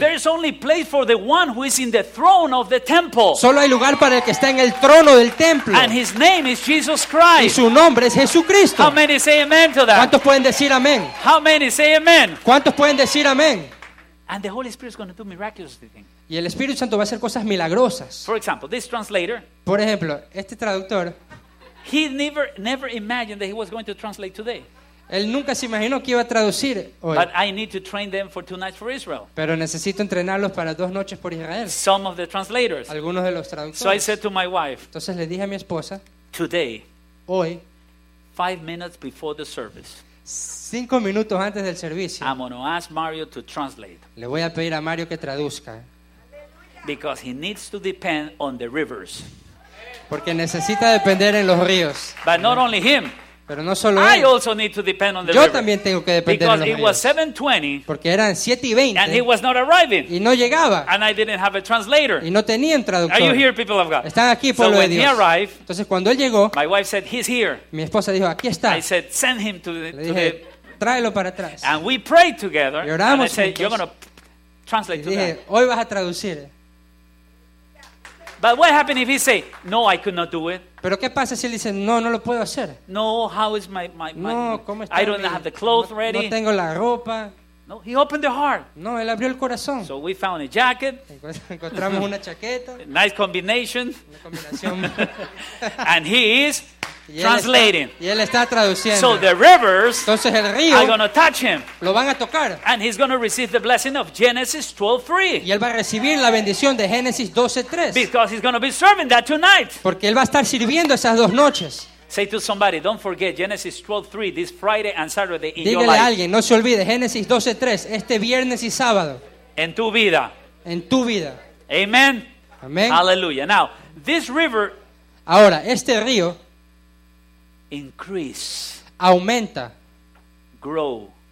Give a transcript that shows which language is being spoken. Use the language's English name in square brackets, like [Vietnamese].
[English] There is only place for the one who is in the throne of the temple. [Spanish] Solo hay lugar para el que está en el trono del templo. [English] And his name is Jesus Christ. [Spanish] Y su nombre es Jesucristo. [English] How many say amen to that? [Spanish] ¿Cuántos pueden decir amén? [English] How many say amen? [Spanish] ¿Cuántos pueden decir amén? [English] And the Holy Spirit is going to do miraculous things. [Spanish] Y el Espíritu Santo va a hacer cosas milagrosas. [English] For example, this translator, [Spanish] por ejemplo, este traductor, [English] he never imagined that he was going to translate today. [Spanish] Él nunca se imaginó que iba a traducir hoy. [English] But I need to train them for two nights for Israel. [Spanish] Pero necesito entrenarlos para dos noches por Israel. [English] Some of the translators. [Spanish] Algunos de los traductores. [English] So I said to my wife, [Spanish] entonces le dije a mi esposa, [English] today, [Spanish] hoy, [English] 5 minutes before the service, [Spanish] 5 minutos antes del servicio, [English] I'm going to ask Mario to translate. [Spanish] Le voy a pedir a Mario que traduzca. [English] Because he needs to depend on the rivers. [Spanish] Porque necesita depender en los ríos. [English] But not only him. [Spanish] Pero no solo él. [English] I also need to depend on the [Spanish] yo [English] river. [Spanish] También tengo que depender [English] because [Spanish] en los [English] Was 7:20. [Spanish] Porque eran 7:20. [English] And he was not arriving. [Spanish] Y no llegaba. [English] And I didn't have a translator. [Spanish] Y no tenía un traductor. [English] Are you here, people of God? [Spanish] Están aquí, pueblo [English] so [Spanish] de Dios. [English] When he arrived, [Spanish] entonces cuando él llegó, [English] my wife said, he's here. [Spanish] Mi esposa dijo, aquí está. [English] I said, send him to the, [Spanish] le dije, [English] to the... [Spanish] tráelo para atrás. [English] And we prayed together. [Spanish] Y oramos. [English] And I said, you're going to translate [Spanish] y dije, [English] to [Spanish] hoy vas a traducir. [English] But what happened if he say, no, I could not do it? [Spanish] Pero qué pasa si él dice, no, no lo puedo hacer. [English] No, how is my [Spanish] no, ¿cómo está [English] I don't [Spanish] mi, [English] have the clothes [Spanish] no, [English] ready. [Spanish] No tengo la ropa. [English] No, he opened the heart. [Spanish] No, él abrió el corazón. [English] So we found a jacket. [Spanish] Encontramos una chaqueta. [English] Nice combination. [Spanish] Una combinación. [English] And he is translating. [Spanish] Y él está traduciendo. [English] So the rivers, [Spanish] entonces el río, [English] are going to touch him. [Spanish] Lo van a tocar. [English] And he's going to receive the blessing of Genesis 12:3. [Spanish] Y él va a recibir la bendición de Génesis 12:3. [English] Because he's going to be serving that tonight. [Spanish] Porque él va a estar sirviendo esas dos noches. [English] Say to somebody, don't forget Genesis 12:3 this Friday and Saturday in [Spanish] Dígale [English] your life. [Spanish] Dígale a alguien, no se olvide Génesis 12:3 este viernes y sábado. En tu vida. En tu vida. [English] Amen. Amen. Hallelujah. Now, this river. [Spanish] Ahora, este río. [English] Increase. [Spanish] Aumenta. [English] Grow.